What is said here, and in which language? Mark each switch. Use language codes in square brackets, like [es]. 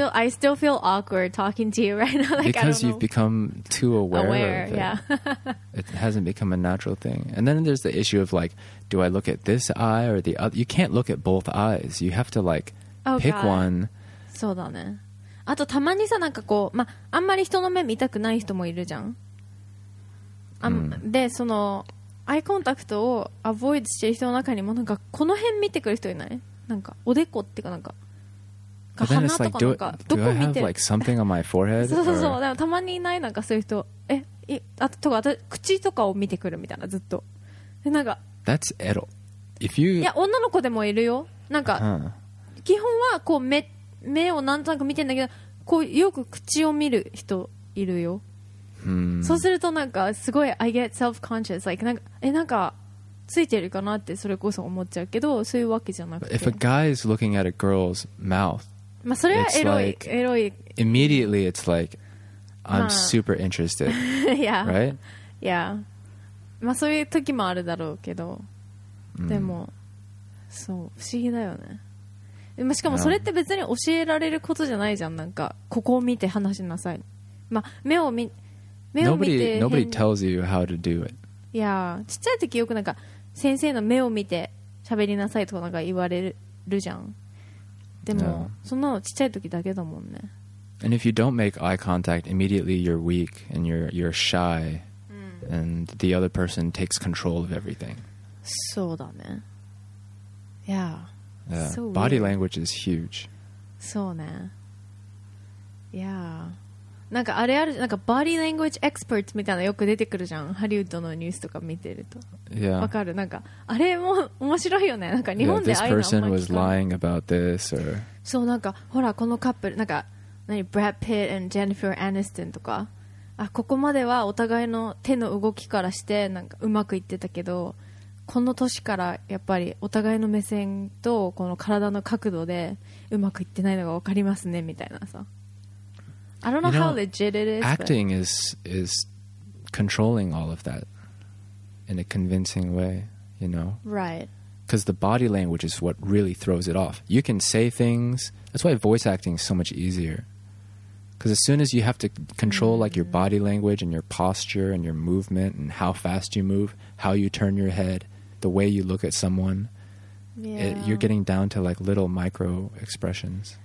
[en] I still feel awkward talking to you right now. Like, because you've become too aware of it. Yeah. It hasn't become a natural thing. And then there's the issue of like, do I look at this eye or the other? You can't look at both eyes. You have to like pick one. [ja] そうだね。あとたまにさなんかこう、まあんまり人の目見たくない人もいるじゃん。で、その、アイコンタクトをアボイドしてる人の中にもなんかこの辺見てくる人いない? なんかおでこっていうかなんか。 [en] But then it's like, do I have like something on my forehead? [ja] そうそうそう。でもたまにいないなんかそういう人、あととか口とかを見てくるみたいなずっと。でなんか。 [en] That's Edo. If you [ja] いや女の子でもいるよ。なんか、 huh. 基本はこう目をなんとなく見てんだけど、こうよく口を見る人いるよ。 Hmm. そうするとなんかすごい [en] I get self-conscious. [ja] Like なんかついてるかなってそれこそ思っちゃうけど、そういうわけじゃなくて。 [en] If a guy is looking at a girl's mouth. [ja] まあ、それはエロい。 [en] Immediately it's like I'm super interested. Yeah. Right? Yeah. [ja] まあそういう時もあるだろうけど、でも、そう不思議だよね。まあしかもそれって別に教えられることじゃないじゃん。なんかここを見て話しなさい。まあ目を見て。 [en] Nobody tells you how to do it. Yeah. [ja] ちっちゃい時よくなんか先生の目を見て喋りなさいとかなんか言われるじゃん。でも、そんなのちっちゃい時だけだもんね。 [en] And if you don't make eye contact, immediately you're weak and you're shy, and the other person takes control of everything. [ja] そうだね。Yeah. [en] Yeah. Body language is huge. [ja] そうね。Yeah. なんかあれある、なんか [en] body language experts [ja] みたいなのよく出てくるじゃん。ハリウッドのニュースとか見てると。 [en] Yeah. [ja] わかる。なんかあれも面白いよね。なんか日本でああいうのあんま聞かない。そう、なんかほらこのカップル、なんか何、ブラッド・ピット and ジェニファー・アニストンとか、あここまではお互いの手の動きからしてなんかうまくいってたけど、この年からやっぱりお互いの目線とこの体の角度でうまくいってないのがわかりますねみたいなさ。 [en] I don't know, you know how legit it is. Acting is controlling all of that in a convincing way, you know? Right. Because the body language is what really throws it off. You can say things. That's why voice acting is so much easier. Because as soon as you have to control like your body language and your posture and your movement and how fast you move, how you turn your head, the way you look at someone, you're getting down to like little micro expressions.